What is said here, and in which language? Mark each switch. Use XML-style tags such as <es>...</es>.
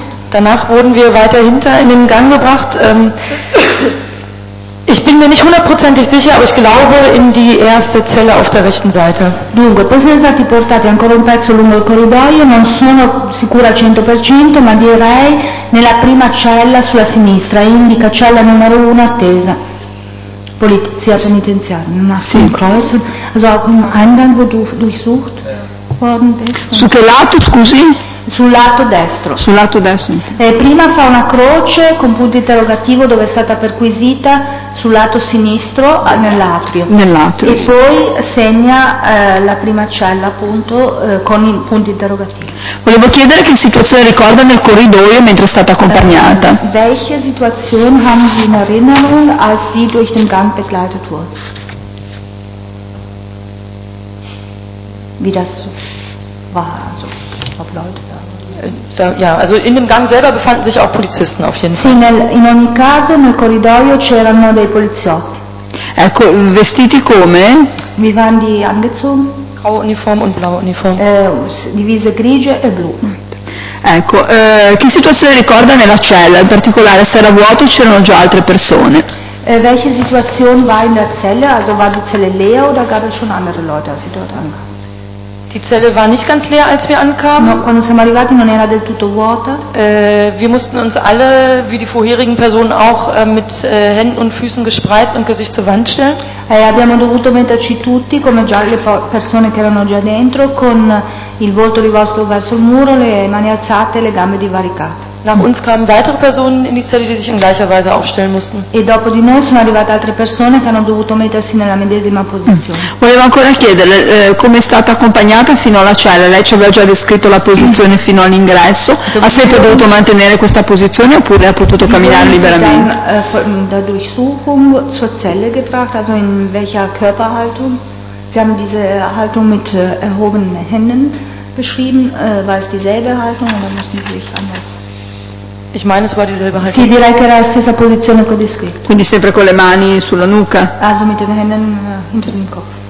<de>Danach wurden wir weiter hinter in den Gang gebracht. Ich bin mir nicht hundertprozentig sicher, aber ich glaube in die erste Zelle auf der rechten Seite.</de> <it>Dunque, poi siamo stati portati ancora un pezzo lungo il corridoio, non sono sicura al 100%, ma direi nella prima cella sulla sinistra, indica cella numero 1 attesa. Polizia penitenziaria, sì.</it> <de>Also un Eingang, wo du durchsucht worden bist.</de> <it>Su che lato, scusi? Sul lato destro. Sul lato destro. E prima fa una croce con punto interrogativo dove è stata perquisita sul lato sinistro nell'atrio. Nell'atrio. E poi segna la prima cella appunto con il punto interrogativo. Volevo chiedere che situazione ricorda nel corridoio mentre è stata accompagnata.</it> <de>Welche Situation haben Sie in Erinnerung, als Sie durch den Gang begleitet wurden? Wie das war, also ob Leute da waren. Ja, also in dem Gang selber befanden sich auch Polizisten auf jeden Fall.</de> <it>Sì, in ogni caso nel corridoio c'erano dei poliziotti. Ecco, vestiti come?</it> <de>Wie waren die angezogen? Graue Uniform und blaue Uniform.</de> <it>Divise grigie e blu. Ecco, che situazione ricorda nella cella? In particolare se era vuoto o c'erano già altre persone?</it> <de>Welche Situation war in der Zelle? Also war die Zelle leer oder gab es schon andere Leute, als sie dort ankamen? Die Zelle war nicht ganz leer, als wir ankamen.</de> <it>No, quando siamo arrivati non era del tutto vuota.</it> <de>Wir mussten uns alle, wie die vorherigen Personen auch, mit Händen und Füßen gespreizt und Gesicht zur Wand stellen.</de> <it>Abbiamo dovuto metterci tutti, come già le persone che erano già dentro, con il volto rivolto verso il muro, le mani alzate e le gambe divaricate.</it> <de>Nach uns kamen weitere Personen in die Zelle, die sich in gleicher Weise aufstellen mussten.</de> <it>E dopo di noi sono arrivate altre persone che hanno dovuto mettersi nella medesima posizione. Volevo ancora chiederle come è stata accompagnata fino alla cella. Lei ci aveva già descritto la posizione fino all'ingresso. Ha sempre dovuto mantenere questa posizione oppure ha potuto camminare liberamente?</it> <de>Da Durchsuchung zur Zelle gebracht, also in welcher Körperhaltung? Sie haben diese Haltung mit erhobenen Händen beschrieben. War es dieselbe Haltung oder möchten Sie sich anders? Ich meine, es war dieselbe Haltung.</de> <it>Sì, direi che era la stessa posizione che ho descritto. Quindi sempre con le mani sulla nuca.</it> <de>Also mit den Händen hinter dem Kopf.</de>